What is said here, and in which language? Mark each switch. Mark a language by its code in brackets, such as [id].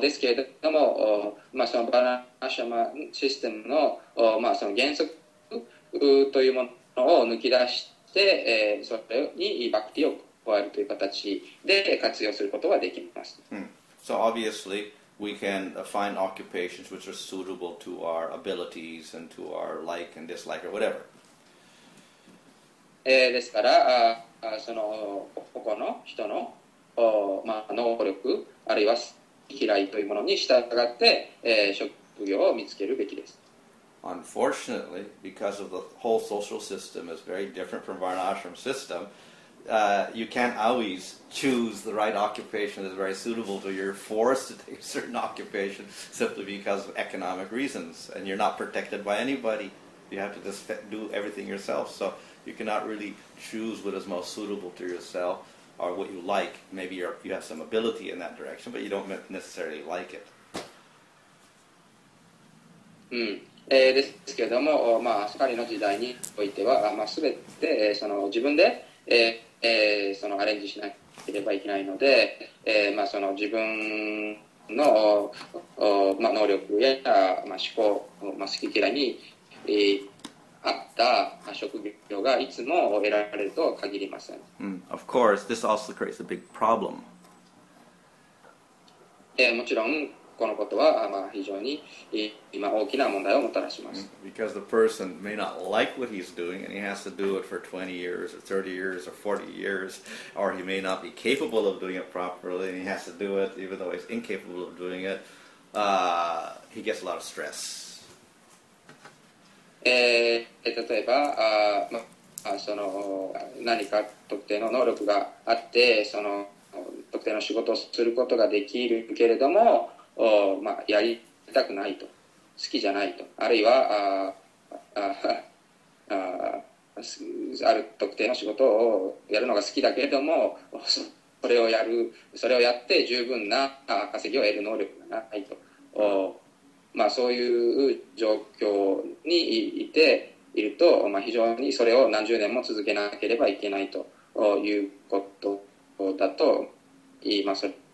[ja] ですけれども、まあ、その Varnashram system の、まあ、その原則というものを抜き出して、それにバクティを加えるという形で活用することができます。 [en] So obviously we can find occupations which are suitable to our abilities and to our like and dislike or whatever. [ja] ですから、その個々の人の、まあ、能力あるいは嫌いというものに従って、職業を見つけるべきです。 [en] Unfortunately, because of the whole social system is very different from Varnashram system, you can't always choose the right occupation that is very suitable to you. You're forced to take a certain occupation simply because of economic reasons, and you're not protected by anybody. You have to just do everything yourself, so you cannot really choose what is most suitable to yourself or what you like. Maybe you have some ability in that direction, but you don't necessarily like it. [ja] ですけれども、まあ、彼の時代においては、まあ、全て、その自分で、そのアレンジしなければいけないので、まあ、その自分の、まあ、能力や、まあ、思考、まあ、好き嫌いに、合った職業がいつも得られると限りません。 [en] Of course, this also creates a big problem. [ja] もちろんこのことは、まあ、非常に今大きな問題をもたらします。 [en] Because the person may not like what he's doing and he has to do it for 20 years or 30 years or 40 years or he may not be capable of doing it properly and he has to do it even though he's incapable of doing it, he gets a lot of stress. [ja] 例えば、その何か特定の能力があってその特定の仕事をすることができるけれどもまあ、やりたくないと好きじゃないとあるいはある特定の仕事をやるのが好きだけれどもそれをやって十分な稼ぎを得る能力がないと、まあ、そういう状況にいていると、まあ、非常にそれを何十年も続けなければいけないということだと言います。